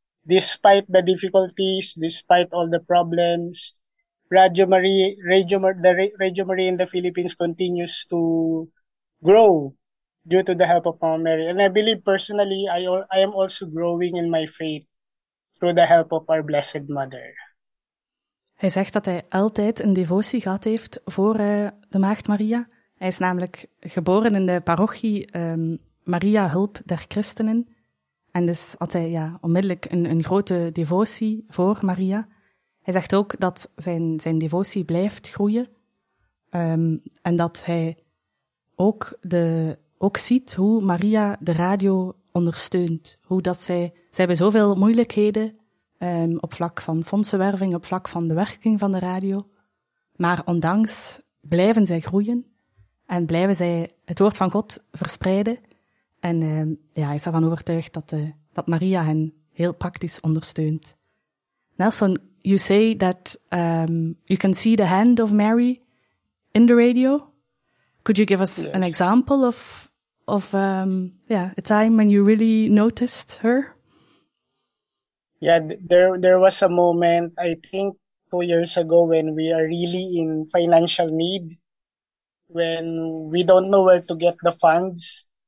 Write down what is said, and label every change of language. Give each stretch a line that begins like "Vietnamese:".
English: Despite the difficulties, despite all the problems, Radio Maria in the Philippines continues to grow due to the help of Mama Mary. And I believe personally, I am also growing in my faith through the help of our Blessed Mother.
Dutch: Hij zegt dat hij altijd een devotie gehad heeft voor de Maagd Maria. Hij is namelijk geboren in de parochie Maria Hulp der Christenen. En dus had hij onmiddellijk een grote devotie voor Maria. Hij zegt ook dat zijn devotie blijft groeien. En dat hij ook ziet hoe Maria de radio ondersteunt. Hoe dat zij hebben zoveel moeilijkheden op vlak van fondsenwerving, op vlak van de werking van de radio. Maar ondanks blijven zij groeien en blijven zij het woord van God verspreiden. En hij is ervan overtuigd dat Maria hen heel praktisch ondersteunt.
English: Nelson, you say that you can see the hand of Mary in the radio. Could you give us Yes. an example of a time when you really noticed her? Yeah, there was a moment, I think 2 years ago, when we are really in financial need, when we don't know where to get the funds.